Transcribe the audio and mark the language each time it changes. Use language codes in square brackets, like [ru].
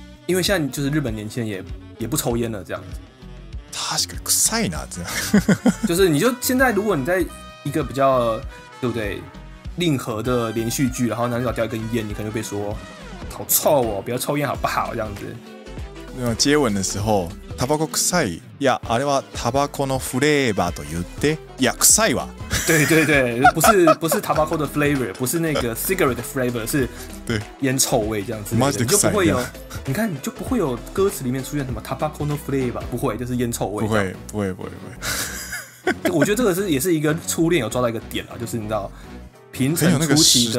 [zh] 因为现在就是日本年轻人也不抽烟了这样子。 [ja] 確かに臭いな [zh] 这样。就是你就现在如果你在一个比较对不对令和的连续剧，然后男主角叼一根烟，你可能就被说好臭哦，不要抽烟好不好这样子。那接吻的时候。 [ja] タバコ臭い。いや、あれはタバコのフレーバーと言って。いや、臭いわ。 [zh] 对对对，不是タバコ的 flavor， 不是那个 [en] cigarette flavor， [zh] 是烟臭味这样子。 [ja] マジで臭い。 [zh] 你就不会有，你看你就不会有歌词里面出现什么 [ja] タバコのフレーバー， [zh] 不会，就是烟臭味。不会，不会，不会，不会。我觉得这个是也是一个初恋有抓到一个点啊，就是你知道平成初期的